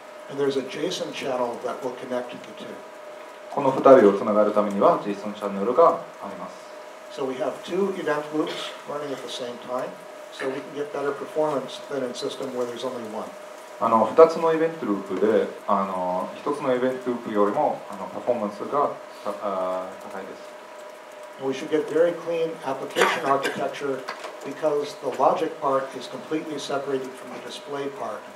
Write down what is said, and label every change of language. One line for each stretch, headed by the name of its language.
English: And there's a JSON channel that will connect the two.
Japanese: この二人をつながるためには JSON チャンネルがあります。
English: So we have two event loops running at the same time. So we can get better performance than in a system where there's only one.
Japanese: 2つのイベントループで、1つのイベントループよりも、パフォーマンスが、高いです。
English: And we should get very clean application architecture because the logic part is completely separated from the display part.